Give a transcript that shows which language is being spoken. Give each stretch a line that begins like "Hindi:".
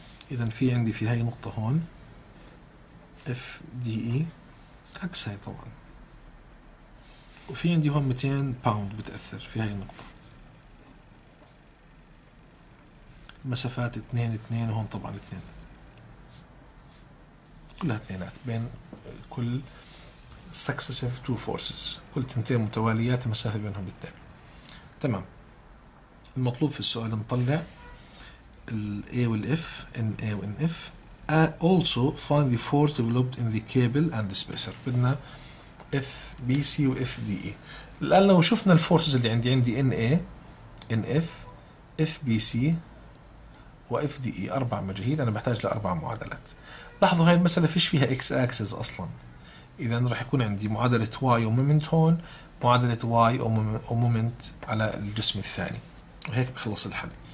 Arabic: اذا في عندي في هاي النقطة هون اف دي اي عكس هاي طبعا، وفي عندي هون 200 باوند بتأثر في هاي النقطة، مسافات 2 2 وهون طبعا 2، كلها 2 بين كل
English: successive two forces،
Arabic: كل تنتين متواليات المسافة بينهم بالتالي. تمام، المطلوب في السؤال نطلع ال A وال F، N A وN F.
English: Also find the force developed in the cable and the spacer.
Arabic: بدنا F B C و F D E. الآن لو شفنا الفورسز اللي عندي، عندي N A N F F B C و F D E، أربع مجاهيل، أنا بحتاج لأربع معادلات. لاحظوا هاي المسألة فيش فيها X axis أصلا، إذا رح يكون عندي معادلة Y ومومنت هون، معادلة Y ومومنت على الجسم الثاني، وهيك بخلص الحل.